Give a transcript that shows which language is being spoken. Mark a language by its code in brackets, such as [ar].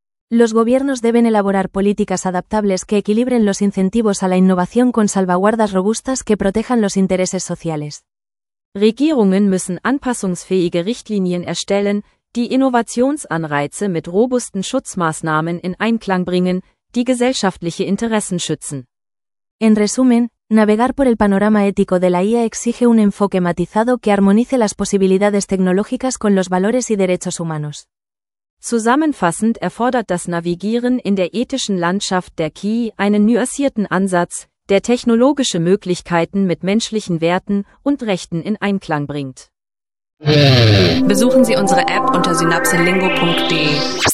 [es] Los gobiernos deben elaborar políticas adaptables que equilibren los incentivos a la innovación con salvaguardas robustas que protejan los intereses sociales. [de] Regierungen müssen anpassungsfähige Richtlinien erstellen, die Innovationsanreize mit robusten Schutzmaßnahmen in Einklang bringen, die gesellschaftliche Interessen schützen. [es] En resumen, navegar por el panorama ético de la IA exige un enfoque matizado que armonice las posibilidades tecnológicas con los valores y derechos humanos. [de] Zusammenfassend erfordert das Navigieren in der ethischen Landschaft der KI einen nuancierten Ansatz, der technologische Möglichkeiten mit menschlichen Werten und Rechten in Einklang bringt. Besuchen Sie unsere App unter synapselingo.de.